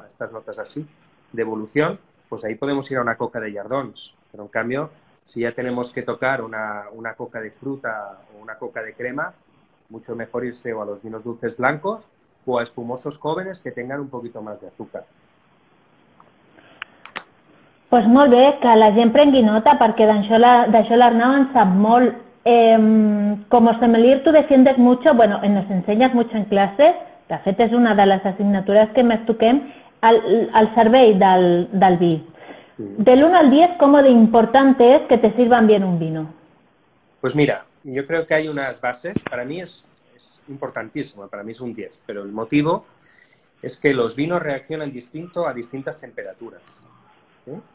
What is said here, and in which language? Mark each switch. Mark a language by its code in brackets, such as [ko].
[es] A estas notas así de evolución, pues ahí podemos ir a una coca de Yardons. Pero en cambio, si ya tenemos que tocar una coca de fruta o una coca de crema, mucho mejor irse o a los vinos dulces blancos o a espumosos jóvenes que tengan un poquito más de azúcar. [ca] Pues molt bé, que la gent prengui nota, perquè d'això l'Arnau en sap molt. [es] Como sommelier tú defiendes mucho, bueno, nos enseñas mucho en clase, [ca] de fet és una de les assignatures que més toquem, al servei del vi. [es] Del 1 al 10, ¿cómo de importante es que te sirvan bien un vino? Pues mira, yo creo que hay unas bases. Para mí es importantísimo, para mí es un 10, pero el motivo es que los vinos reaccionan distinto a distintas temperaturas. ¿Sí?